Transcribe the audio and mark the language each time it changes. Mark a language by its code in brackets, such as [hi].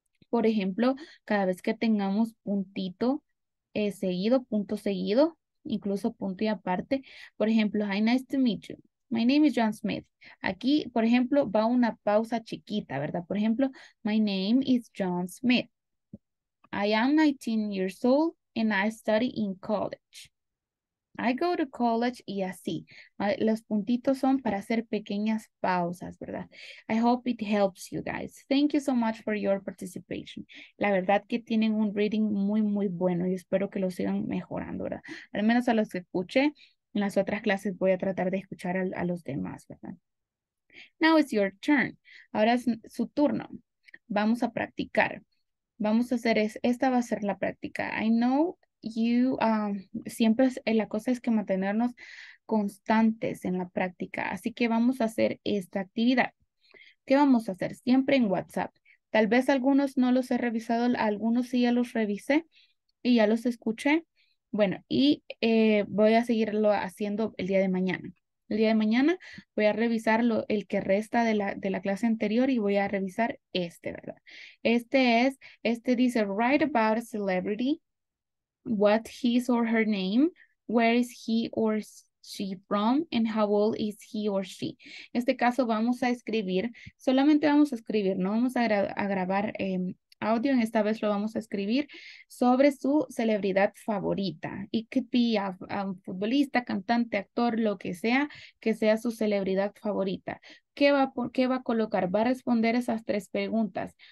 [es] Por ejemplo, cada vez que tengamos puntito seguido, punto seguido, incluso punto y aparte. Por ejemplo, [en] hi, nice to meet you. My name is John Smith. [es] Aquí, por ejemplo, va una pausa chiquita, ¿verdad? Por ejemplo, [en] my name is John Smith. I am 19 years old and I study in college. I go to college [es] y así. Los puntitos son para hacer pequeñas pausas, ¿verdad? [en] I hope it helps you guys. Thank you so much for your participation. [es] La verdad que tienen un reading muy, muy bueno y espero que lo sigan mejorando, ¿verdad? Al menos a los que escuché, en las otras clases voy a tratar de escuchar a los demás, ¿verdad? [en] Now it's your turn. [es] Ahora es su turno. Vamos a practicar. Vamos a hacer esta va a ser la práctica. [en] I know you, [es] siempre la cosa es que mantenernos constantes en la práctica. Así que vamos a hacer esta actividad. ¿Qué vamos a hacer? Siempre en WhatsApp. Tal vez algunos no los he revisado, algunos sí ya los revisé y ya los escuché. Bueno, y voy a seguirlo haciendo el día de mañana. El día de mañana voy a revisar el que resta de la clase anterior y voy a revisar este, ¿verdad? Este dice, [en] write about a celebrity, what his or her name, where is he or she from, and how old is he or she. [es] En este caso vamos a escribir, solamente vamos a escribir, no vamos a grabar audio, en esta vez lo vamos a escribir sobre su celebridad favorita. [en] It could be a [es] futbolista, cantante, actor, lo que sea su celebridad favorita. ¿Qué va a colocar? Va a responder esas tres preguntas.